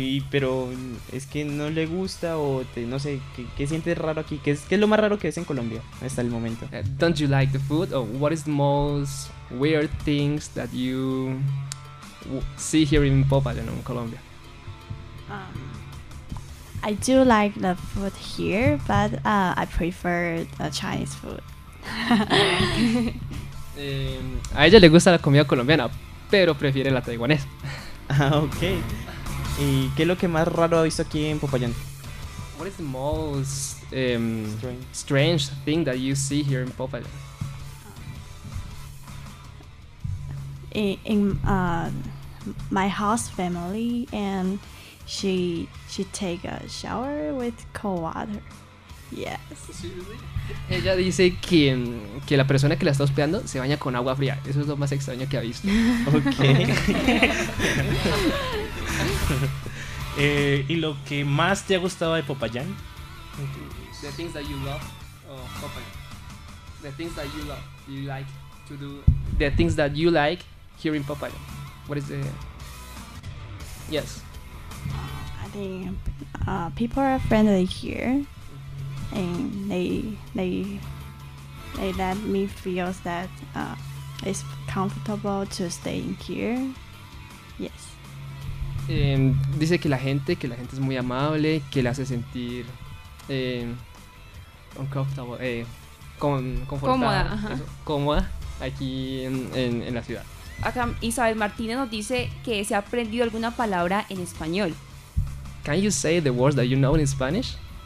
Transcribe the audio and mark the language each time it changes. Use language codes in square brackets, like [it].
[es] Pero es que no le gusta o te, no sé, ¿qué sientes raro aquí? ¿Qué es lo más raro que ves en Colombia hasta el momento? [en] Don't you like the food? Or what is the most weird things that you see here in Popayán, in Colombia? I do like the food here, but I prefer the Chinese food. [es] A ella le gusta la comida colombiana, pero prefiere la taiwanesa. Ah, ok. ¿Y qué es lo que más raro ha visto aquí en Popayán? [en] What is the most strange thing that you see here in Popayán? In my host family, and she take a shower with cold water. Yes. [es] Ella dice que la persona que la está hospedando se baña con agua fría. Eso es lo más extraño que ha visto. Okay. ¿Y lo que más te ha gustado de Popayán? [en] The things that you love, Popayán. The things that you love, you like to do. The things that you like here in Popayán. What is the? Yes. I think people are friendly here, mm-hmm. and they let me feel that it's comfortable to stay in here. Yes. [es] Dice que la gente es muy amable, que le hace sentir cómoda aquí en la ciudad. Acá Isabel Martínez nos dice que se ha aprendido alguna palabra en español. [en] Can you say the words that you know in Spanish?